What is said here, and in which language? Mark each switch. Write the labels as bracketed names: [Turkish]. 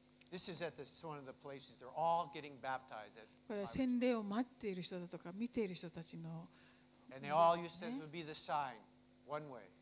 [English] This is at this one of the places they're all getting baptized at. [Japanese] これは洗礼を待っている人だとか見ている人たちの、ね、 [English] And they all used to be the sign, one way.